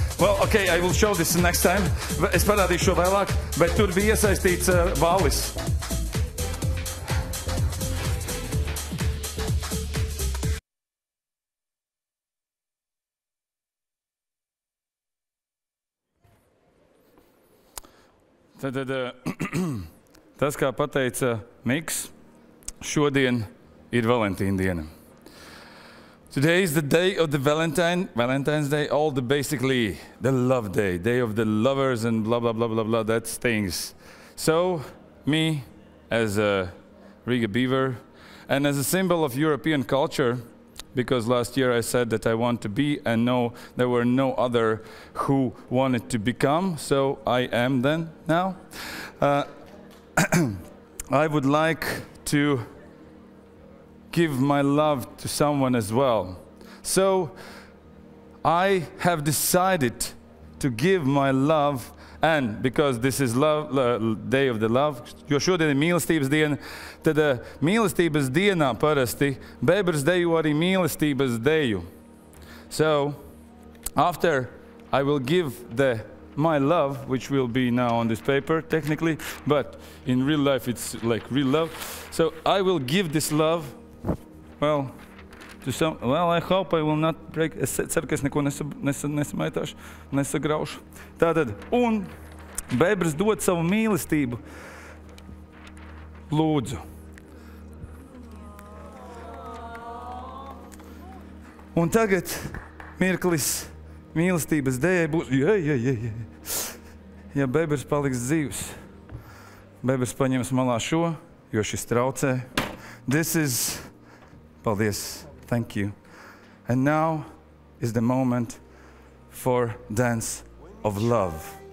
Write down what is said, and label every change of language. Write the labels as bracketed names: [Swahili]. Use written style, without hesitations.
[English] Well, okay, I will show this next time. [Latvian] Es parādīšu vēlāk, bet tur bija iesaistīts valis. Tad, tas, kā pateica Miks, šodien ir Valentīna diena. [English] Today is the day of the Valentine's Day, all the basically the love day, day of the lovers and blah, blah, blah, blah, blah, that things. So, me, as a Riga Beaver, and as a symbol of European culture, because last year I said that I want to be, and no, there were no other who wanted to become, so I am then, now. I would like to give my love to someone as well. So, I have decided to give my love, and because this is love, Day of the Love, [Latvian] jo šodien ir mīlestības diena, tad mīlestības dienā parasti Bebrs deju arī mīlestības deju. [English] So, after I will give the my love, which will be now on this paper, technically, but in real life it's like real love. So, I will give this love, well, to some, well, I hope I will not break, [Latvian] es ceru, ka es neko nesamaitāšu, nesagraušu. Tātad, un Bebrs dod savu mīlestību lūdzu. Un tagad mirklis mīlestības dējai būs, ja Bebrs paliks dzīvs, Bebrs paņems malā šo, jo šis traucē. [English] This is, paldies, thank you. And now is the moment for dance of love.